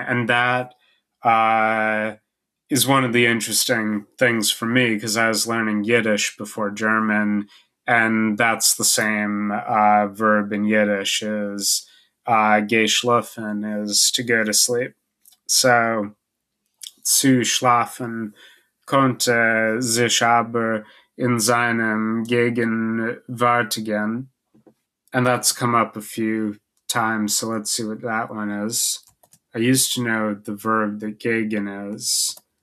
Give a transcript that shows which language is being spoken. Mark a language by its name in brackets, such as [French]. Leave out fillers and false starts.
[English] And that is one of the interesting things for me, because I was learning Yiddish before German, and that's the same verb in Yiddish, is geschlafen, is to go to sleep. [German] So zu schlafen konnte sich aber in seinem gegenwärtigen [English] And that's come up a few times, so let's see what that one is. I used to know the verb that gegen is.